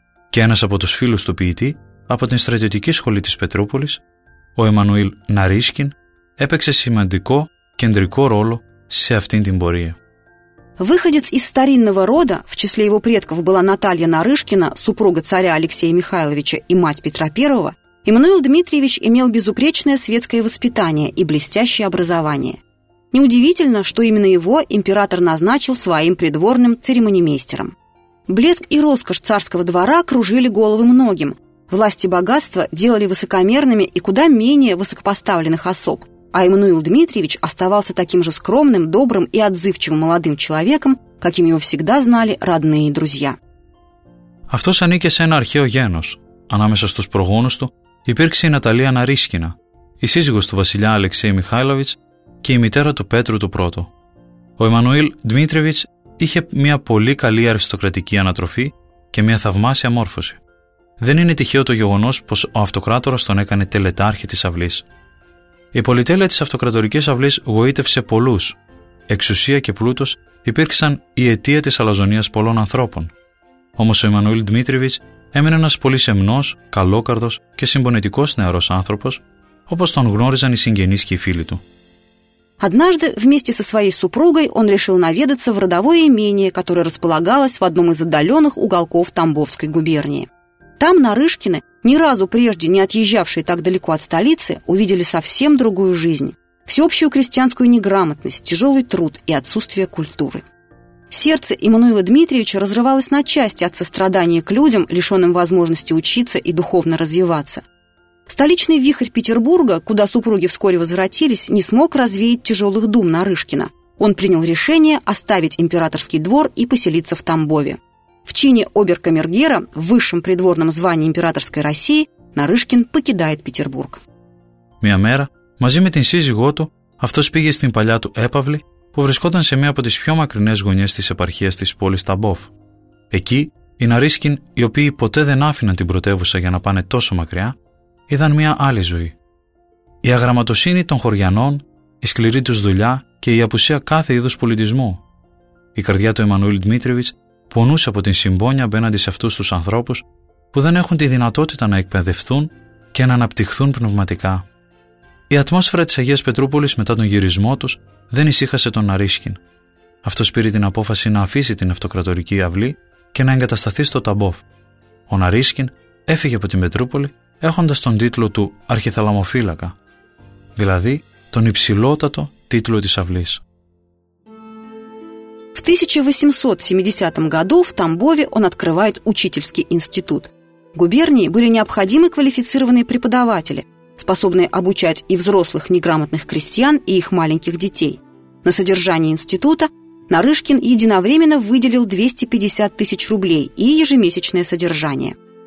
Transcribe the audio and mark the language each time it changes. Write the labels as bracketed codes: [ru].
[el] Και ένας από τους φίλους του ποιητή, από την στρατιωτική σχολή της Πετρούπολης, ο Εμμανουήλ Ναρίσκιν, έπαιξε σημαντικό κεντρικό ρόλο σε αυτήν την πορεία. [ru] Выходец из старинного рода, в числе его предков была Наталья Нарышкина, супруга царя Алексея Михайловича и мать Петра I, Иммануил Дмитриевич имел безупречное светское воспитание и блестящее образование. Неудивительно, что именно его император назначил своим придворным церемонимейстером. Блеск и роскошь царского двора кружили головы многим. Власть и богатство делали высокомерными и куда менее высокопоставленных особ. А Иммануил Дмитриевич оставался таким же скромным, добрым и отзывчивым молодым человеком, каким его всегда знали родные и друзья. [el] Αυτός ανήκε σε ένα αρχαίο γένος. Ανάμεσα στους προγόνους του υπήρξε η Ναταλία Ναρίσκινα, η σύζυγος του βασιλιά Αλεξέη Μιχάιλοβιτς και η μητέρα του Πέτρου του Πρώτου. Ο Εμμανουήλ Δημήτριεβιτς είχε μια πολύ καλή αριστοκρατική ανατροφή και μια θαυμάσια μόρφωση. Δεν είναι τυχαίο το γεγονός πως ο αυτοκράτορας τον έκανε τελετάρχη της αυλής. Η πολυτέλεια της αυτοκρατορικής αυλής γοήτευσε πολλούς. Εξουσία και πλούτος υπήρξαν η αιτία της αλαζονίας πολλών ανθρώπων. Όμως ο Εμμανουήλ Δημήτριεβιτς έμεινε ένας πολύ σεμνός, καλόκαρδος και συμπονετικός νεαρός άνθρωπος, όπως τον γνώριζαν οι συγγενείς και οι φίλοι του. [ru] Однажды вместе со своей супругой он решил наведаться в родовое имение, которое располагалось в одном из отдаленных уголков Тамбовской губернии. Там Нарышкины, ни разу прежде не отъезжавшие так далеко от столицы, увидели совсем другую жизнь. Всеобщую крестьянскую неграмотность, тяжелый труд и отсутствие культуры. Сердце Иммануила Дмитриевича разрывалось на части от сострадания к людям, лишенным возможности учиться и духовно развиваться. Столичный вихрь Петербурга, куда супруги вскоре возвратились, не смог развеять тяжелых дум Нарышкина. Он принял решение оставить императорский двор и поселиться в Тамбове. В чине обер-камергера, в высшем придворном звании императорской России, Нарышкин покидает Петербург. [el] Мия мэра, мази ме тен сизиго ту, автос пиге стен паля ту эпавли που βρισκόταν σε μία από τις πιο μακρινές γωνιές της επαρχίας της πόλης Ταμπόφ. Εκεί, οι Ναρίσκιν, οι οποίοι ποτέ δεν άφηναν την πρωτεύουσα για να πάνε τόσο μακριά, είδαν μία άλλη ζωή. Η αγραμματοσύνη των χωριανών, η σκληρή τους δουλειά και η απουσία κάθε είδους πολιτισμού. Η καρδιά του Εμμανουήλ Ντμίτριβιτς πονούσε από την συμπόνια απέναντι σε αυτούς τους ανθρώπους που δεν έχουν τη δυνατότητα να εκπαιδευτούν και να αναπτυχθούν πνευματικά. Η ατμόσφαιρα της Αγίας Πετρούπολης μετά τον γυρισμό τους δεν ησύχασε τον Ναρίσκιν. Αυτός πήρε την απόφαση να αφήσει την αυτοκρατορική αυλή και να εγκατασταθεί στο Ταμπόφ. Ο Ναρίσκιν έφυγε από την Πετρούπολη έχοντας τον τίτλο του Αρχιθαλαμοφύλακα, δηλαδή τον υψηλότατο τίτλο της αυλής. [ru] В 1870 году в Тамбове он открывает учительский институт. В губернии были необходимы квалифицированные преподаватели, способные обучать и взрослых неграмотных крестьян, и их маленьких детей. На содержание института Нарышкин единовременно выделил 250 тысяч рублей и ежемесячное содержание.